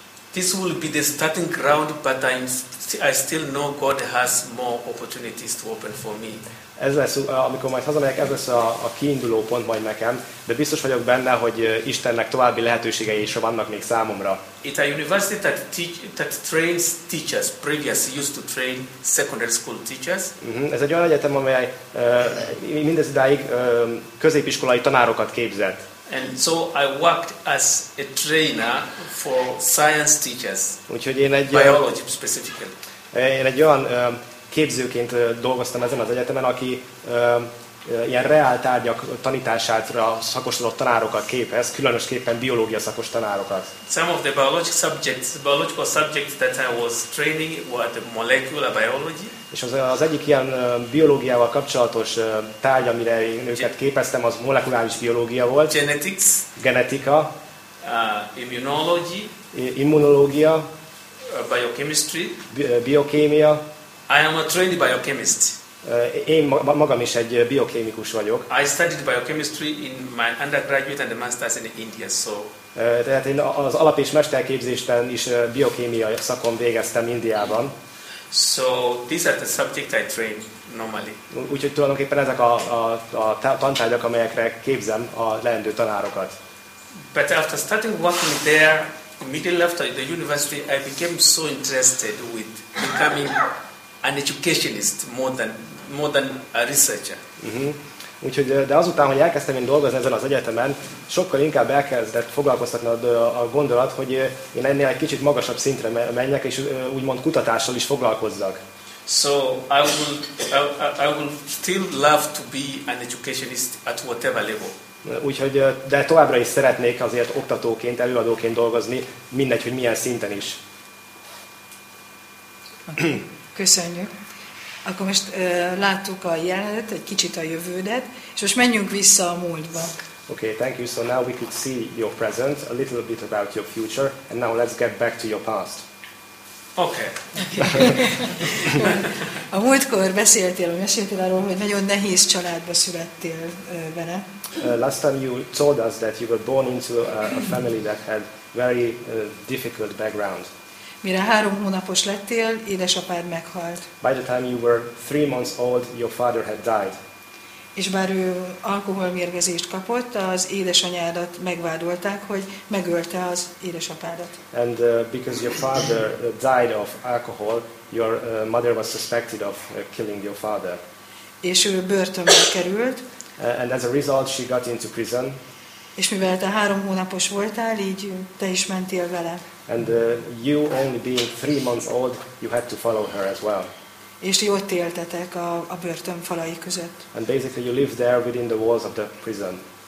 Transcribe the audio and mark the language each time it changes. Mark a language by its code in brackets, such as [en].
[en] this will be the starting ground, but I still know God has more opportunities to open for me. [hu] Ez lesz, amikor majd hazamegyek, ez lesz a kiinduló pont majd nekem, de biztos vagyok benne, hogy Istennek további lehetőségei is vannak még számomra. [en] It's a university that trains teachers. Previously used to train secondary school teachers. [hu] Ez egy olyan egyetem, amely mindezidáig középiskolai tanárokat képzett. [en] And so I worked as a trainer for science teachers. [hu] Úgyhogy én egy [en] biology specifically. [hu] Én egy olyan képzőként dolgoztam ezen az egyetemen, aki ilyen reál tárgyak tanításátra szakosodott tanárokat képez, különösképpen biológia szakos tanárokat. [en] Some of the biological subjects that I was training were the molecular biology. [hu] És az egyik ilyen biológiával kapcsolatos tárgy, amire én őket képeztem, az molekuláris biológia volt. [en] Genetics. [hu] Genetika. [en] Immunology. [hu] Immunológia. [en] Biochemistry. [hu] Biokémia. [en] I am a trained biochemist. [hu] Én magam is egy biokémikus vagyok. [en] I studied biochemistry in my undergraduate and master's in India, so [hu] Tehát én az alap- és mesterképzésben is biokémia szakon végeztem Indiában. [en] So these are the subjects I train normally. [hu] Úgyhogy tulajdonképpen ezek a tantárgyak, amelyekre képzem a leendő tanárokat. [en] But after starting working there, immediately after the university, I became so interested with becoming an educationist more than a researcher. [hu] Úgyhogy, de azután, hogy elkezdtem én dolgozni ezen az egyetemen, sokkal inkább elkezdett foglalkoztatni a gondolat, hogy én ennél egy kicsit magasabb szintre menjek, és úgymond kutatással is foglalkozzak. [en] So I will still love to be an educationist at whatever level. [hu] Úgyhogy, de továbbra is szeretnék azért oktatóként, előadóként dolgozni, mindegy, hogy milyen szinten is. Köszönjük. Akkor most láttuk a jelenet, egy kicsit a jövődet, és most menjünk vissza a múltba. [en] Okay, thank you. So now we could see your present, a little bit about your future, and now let's get back to your past. Okay. [hu] A múltkor meséltél arról, hogy nagyon nehéz családba születtél bele. [en] Last time you told us that you were born into a family that had very difficult background. [hu] Mire 3 hónapos lettél, édesapád meghalt. [en] By the time you were 3 months old, your father had died. [hu] És bár ő alkoholmérgezést kapott, az édesanyádat megvádolták, hogy megölte az édesapádat. [en] And because your father died of alcohol, your mother was suspected of killing your father. [hu] És ő börtönbe került. [en] And as a result, she got into prison. [hu] És mivel te 3 hónapos voltál, így te is mentél vele. [en] And you only being 3 months old, you had to follow her as well. [hu] És ti ott éltetek a börtön falai között. [en] And basically you lived there within the walls of the prison.